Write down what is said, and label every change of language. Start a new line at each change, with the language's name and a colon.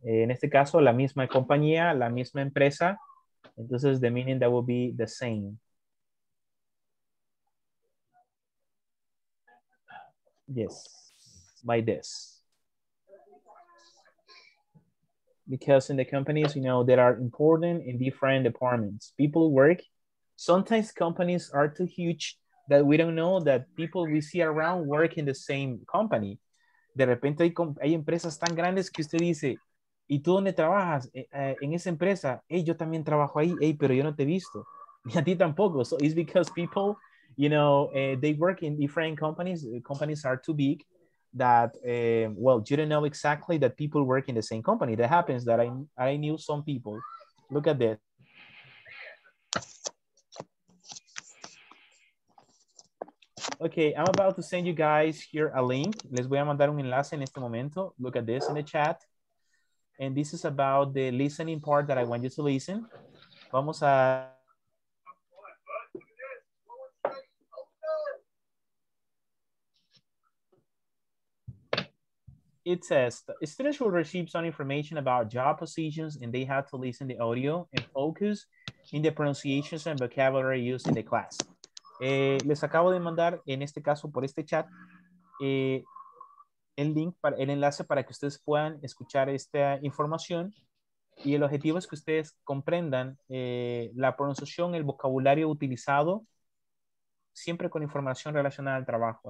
Spanish: En este caso, la misma compañía, la misma empresa.
English: Entonces, the meaning that will be the same. Yes, by this. Because in the companies, you know, there are important in different departments. People work. Sometimes companies are too huge that we don't know that people we see around work in the same company.
Spanish: De repente hay empresas tan grandes que usted dice, ¿y tú dónde trabajas? En esa empresa, hey, yo también trabajo ahí, hey, pero yo no te he visto. Y a ti tampoco.
English: So it's because people, you know, they work in different companies. Companies are too big that, well, you don't know exactly that people work in the same company. That happens that I knew some people. Look at this. Okay, I'm about to send you guys here a link.
Spanish: Les voy a mandar un enlace en este momento.
English: Look at this in the chat. And this is about the listening part that I want you to listen.
Spanish: Vamos a...
English: It says, students will receive some information about job positions and they have to listen to the audio and focus in the pronunciations and vocabulary used in the class.
Spanish: Les acabo de mandar, en este caso, por este chat, el link, para, el enlace para que ustedes puedan escuchar esta información. Y el objetivo es que ustedes comprendan la pronunciación, el vocabulario utilizado, siempre con información relacionada al trabajo.